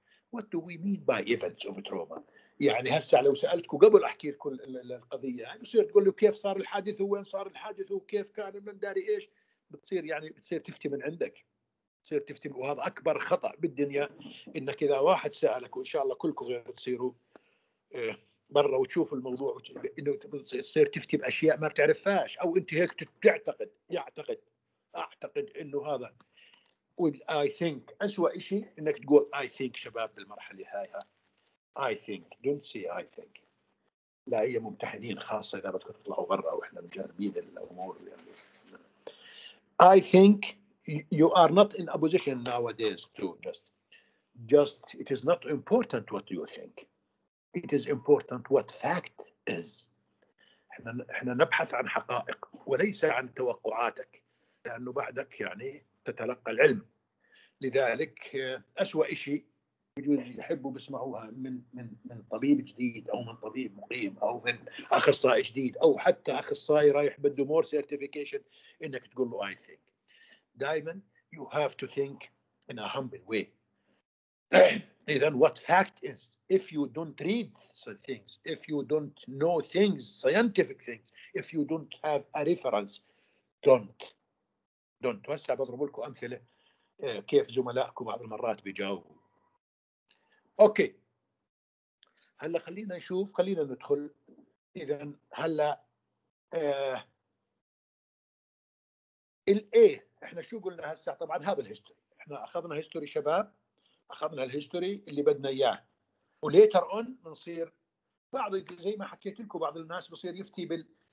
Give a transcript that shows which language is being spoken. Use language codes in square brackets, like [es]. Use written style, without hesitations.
[en] What do we mean by events of trauma? [ar] يعني هسا لو سألتك قبل أحكي لكم القضية يعني بصير تقول له كيف صار الحادث وين صار الحادث وكيف كان من داري إيش بتصير يعني بتصير تفتي من عندك بتصير تفتي وهذا أكبر خطأ بالدنيا إنك إذا واحد سألك وإن شاء الله كلكم غير تصيروا برا وتشوفوا الموضوع إنه بتصير تفتي بأشياء ما بتعرفهاش أو أنت هيك تعتقد أعتقد إنه هذا [en] I think [ar] أسوأ إشي إنك تقول I think شباب بالمرحلة هايها [en] I think don't say I think [ar] لا هي ممتحنين خاصة إذا بدكم تطلعوا برا وإحنا مجربين الأمور يعني. [en] I think you are not in a position nowadays to just it is not important what you think. It is important what fact is. [ar] إحنا نبحث عن حقائق وليس عن توقعاتك لأنه بعدك يعني تتلقى العلم. لذلك أسوأ شيء يجوز يحبوا بسمعوها من طبيب جديد أو من طبيب مقيم أو من أخصائي جديد أو حتى أخصائي رايح بده [en] more certification [ar] إنك تقول له [en] I think. [ar] دائما [en] you have to think in a humble way. إذن what fact is if you don't read some things, if you don't know things, scientific things, if you don't have a reference, don't. [ar] وسع بضرب لكم أمثلة كيف زملائكم بعض المرات بيجاوبوا. أوكي هلا خلينا نشوف خلينا ندخل إذا هلا الإيه إحنا شو قلنا هسا طبعا هذا الهيستوري إحنا أخذنا هيستوري شباب أخذنا الهيستوري اللي بدنا إياه [en] وليتر أون [ar] بنصير بعض زي ما حكيت لكم بعض الناس بصير يفتي